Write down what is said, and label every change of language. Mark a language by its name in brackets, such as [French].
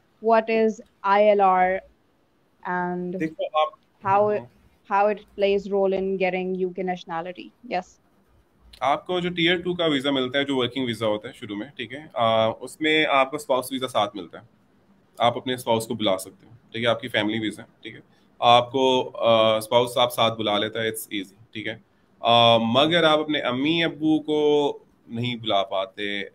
[English] what is ILR and [Hindi] देखो आप, [English] How it plays role in getting UK nationality? Yes. [Hindi] आपको जो tier two का वीजा मिलता है, जो वर्किंग वीजा होता है शुरू में, ठीक है, उसमें आपका स्पाउस वीजा साथ मिलता है, आप अपने स्पाउस को बुला सकते हो, ठीक है, आपकी फैमिली वीजा, ठीक है, आपको स्पाउस आप साथ बुला लेता है, इट्स इजी, ठीक है। मगर आप अपने अम्मी अब्बू को नहीं बुला पाते,